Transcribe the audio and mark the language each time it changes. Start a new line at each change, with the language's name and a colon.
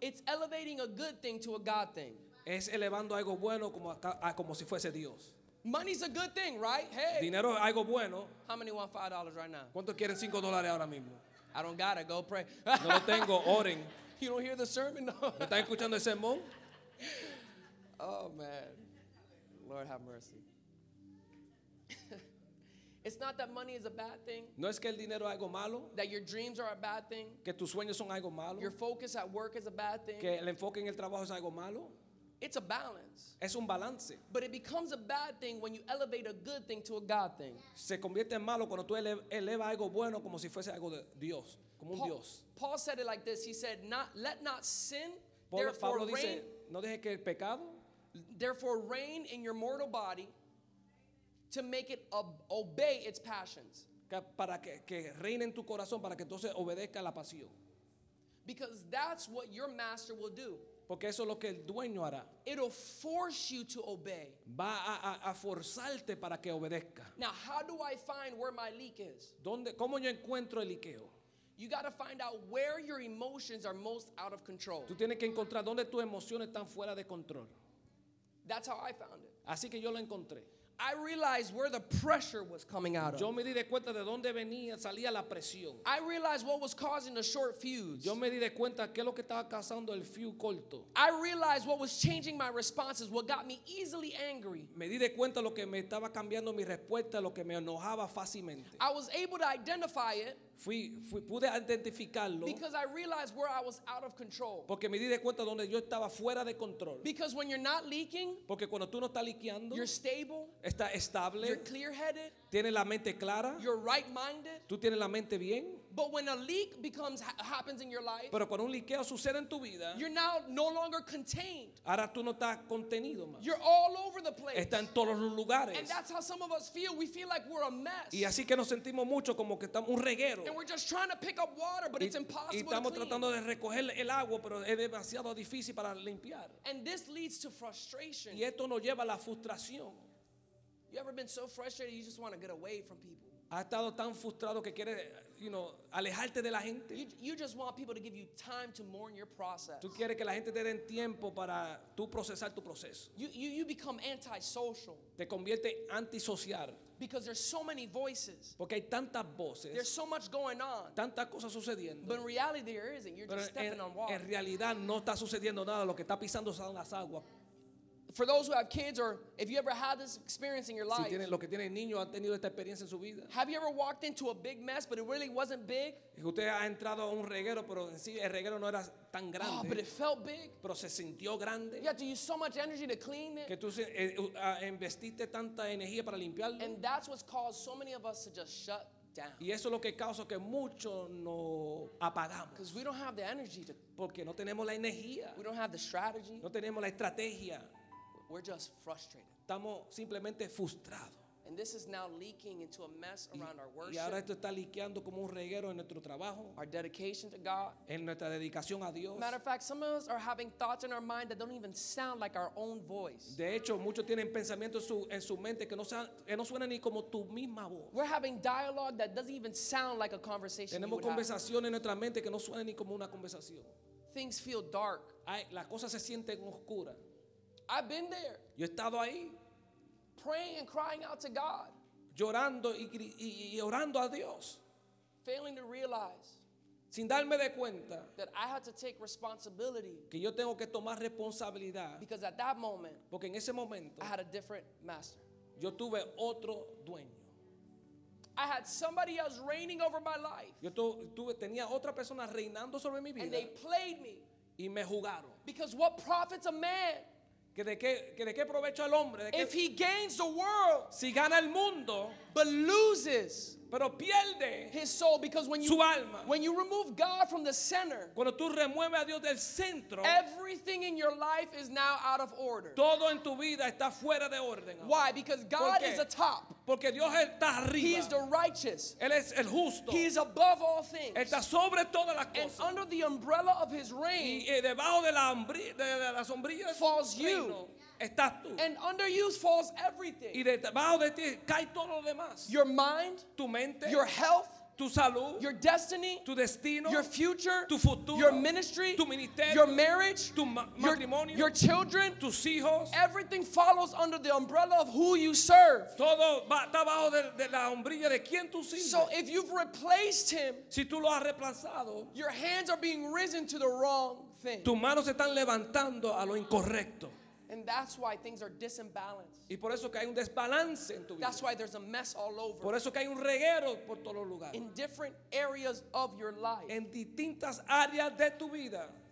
English: It's elevating a good thing to a God thing.
Spanish: Es elevando algo bueno como si fuese Dios.
English: Money's a good thing, right? Hey.
Spanish: Dinero es algo bueno.
English: How many want $5 right now?
Spanish: ¿Cuánto quieren $5 ahora mismo?
English: I don't gotta go pray.
Spanish: No lo tengo, oren.
English: You don't hear the sermon, no.
Spanish: ¿Están escuchando el sermón?
English: Oh, man. Lord, have mercy. It's not that money is a bad thing.
Spanish: No es que el dinero es algo malo.
English: That your dreams are a bad thing.
Spanish: Que tus sueños son algo malo.
English: Your focus at work is a bad thing.
Spanish: Que el enfoque en el trabajo es algo malo.
English: It's a balance.
Spanish: Es un balance.
English: But it becomes a bad thing when you elevate a good thing to a God thing.
Spanish: Se convierte en malo cuando tú eleva algo bueno como si fuese algo de Dios. Como un Dios.
English: Paul said it like this. He said, "Let not sin
Spanish: Pablo
English: therefore
Spanish: dice,
English: reign."
Spanish: No deje que el pecado,
English: therefore reign in your mortal body to make it obey its passions.
Spanish: Para que reine en tu corazón para que entonces obedezca la pasión.
English: Because that's what your master will do.
Spanish: Porque eso es lo que el dueño hará.
English: It'll force you to obey.
Spanish: Va a forzarte para que obedezca.
English: Now, how do I find where my leak is?
Spanish: ¿Dónde, cómo yo encuentro el liqueo?
English: You got to find out where your emotions are most out of control.
Spanish: Tú tienes que encontrar dónde tus emociones están fuera de control.
English: That's how I found it.
Spanish: Así que yo lo encontré.
English: I realized where the pressure was coming out of.
Spanish: Yo me di de cuenta de dónde venía, salía la presión.
English: I realized what was causing the short fuse.
Spanish: Yo me di de cuenta qué es lo que estaba causando el fuse corto.
English: I realized what was changing my responses, what got me easily angry.
Spanish: Me di de cuenta lo que me estaba cambiando mi respuesta, lo que me enojaba fácilmente.
English: I was able to identify it.
Spanish: Pude identificarlo.
English: Because I realized where I was out of control.
Spanish: Porque me di de cuenta donde yo estaba fuera de control.
English: Because when you're not leaking,
Spanish: porque cuando tú no estás liqueando,
English: you're stable,
Spanish: está estable,
English: you're clear-headed,
Spanish: tienes la mente clara,
English: you're right-minded,
Spanish: tú tienes la mente bien.
English: But when a leak becomes happens in your life,
Spanish: pero cuando un liqueo sucede en tu vida,
English: you're now no longer contained.
Spanish: Ahora tú no estás contenido más.
English: You're all over the place.
Spanish: Está en todos los lugares.
English: And that's how some of us feel. We feel like we're a mess.
Spanish: Y así que nos sentimos mucho como que estamos un reguero.
English: And we're just trying to pick up water, but it's impossible to clean.
Spanish: Y estamos tratando de recoger el agua, pero es demasiado difícil para limpiar.
English: And this leads to frustration.
Spanish: Y esto nos lleva a la frustración.
English: You ever been so frustrated you just want to get away from people?
Spanish: Ha estado tan frustrado que quiere,
English: you know,
Spanish: alejarte de la gente.
English: You just want people to give you time to mourn your process.
Spanish: Tú quieres que la gente te den tiempo para tú procesar tu proceso.
English: You become antisocial.
Spanish: Te convierte antisocial.
English: Because there's so many voices.
Spanish: Porque hay tantas voces.
English: There's so much going on.
Spanish: Tantas cosas sucediendo.
English: But in reality there isn't. You're
Spanish: pero
English: just stepping on water.
Spanish: En realidad no está sucediendo nada. Lo que está pisando son las aguas.
English: For those who have kids, or if you ever had this experience in your life,
Spanish: si tienen, lo que tienen niños, han tenido esta experiencia en su vida.
English: Have you ever walked into a big mess, but it really wasn't big?
Spanish: Usted ha entrado a un reguero, pero en sí el reguero no era tan grande.
English: Oh, but it felt big.
Spanish: Pero se sintió grande.
English: You had to use so much energy to clean it.
Spanish: Que tú investiste tanta energía para limpiarlo.
English: And that's what's caused so many of us to just shut down.
Spanish: Y eso es lo que causa que muchos nos apagamos.
English: Because we don't have the energy to.
Spanish: Porque no tenemos la energía.
English: We don't have the strategy.
Spanish: No tenemos la estrategia.
English: We're just frustrated.
Spanish: Estamos simplemente frustrados.
English: And this is now leaking into a mess around our worship.
Spanish: Y ahora esto está liqueando como un reguero en nuestro trabajo.
English: Our dedication to God.
Spanish: En nuestra dedicación a Dios.
English: Matter of fact, some of us are having thoughts in our mind that don't even sound like our own voice.
Spanish: De hecho, muchos tienen pensamientos en su mente que no suenan ni como tu misma voz.
English: We're having dialogue that doesn't even sound like a conversation.
Spanish: Tenemos conversaciones en nuestra mente que no suenan ni como una conversación.
English: Things feel dark.
Spanish: Las cosas se sienten oscuras.
English: I've been there.
Spanish: Yo he estado ahí.
English: Praying and crying out to God.
Spanish: Llorando y orando a Dios.
English: Failing to realize.
Spanish: Sin darme de cuenta.
English: That I had to take responsibility.
Spanish: Que yo tengo que tomar responsabilidad.
English: Because at that moment.
Spanish: Porque en ese momento.
English: I had a different master.
Spanish: Yo tuve otro dueño.
English: I had somebody else reigning over my life.
Spanish: Yo tenía otra persona reinando sobre mi vida.
English: And they played me.
Spanish: Y me jugaron.
English: Because what profits a man?
Spanish: ¿De qué provecho al hombre?
English: If he gains the world,
Spanish: si gana el mundo,
English: but loses,
Spanish: pero pierde
English: his soul, because when you,
Spanish: su alma,
English: when you remove God from the center,
Spanish: cuando tú remueves a Dios del centro,
English: everything in your life is now out of order.
Spanish: Todo en tu vida está fuera de orden.
English: Why? Because God is the top.
Spanish: Porque Dios está arriba.
English: He is the righteous.
Spanish: Él es el justo.
English: He is above all things.
Spanish: Está sobre todas las cosas.
English: And under the umbrella of his reign,
Spanish: y debajo de la de las sombrillas,
English: falls you.
Spanish: Estás tú.
English: And under you falls everything.
Spanish: Y debajo de ti cae todo lo demás.
English: Your mind,
Spanish: tu mente,
English: your health,
Spanish: tu salud,
English: your destiny,
Spanish: tu destino,
English: your future,
Spanish: tu futuro,
English: your ministry,
Spanish: tu ministerio,
English: your marriage,
Spanish: tu matrimonio,
English: your children,
Spanish: tus hijos.
English: Everything follows under the umbrella of who you serve.
Spanish: Todo está bajo de la sombrilla de quien tú sirves.
English: So if you've replaced him,
Spanish: si tú lo has reemplazado,
English: your hands are being risen to the wrong thing.
Spanish: Tus manos se están levantando a lo incorrecto.
English: And that's why things are disbalanced.
Spanish: Y por eso que hay un desbalance en tu vida.
English: That's why there's a mess all over.
Spanish: Por eso que hay un reguero por todos los lugares.
English: In different areas of your life.
Spanish: En distintas áreas de tu vida.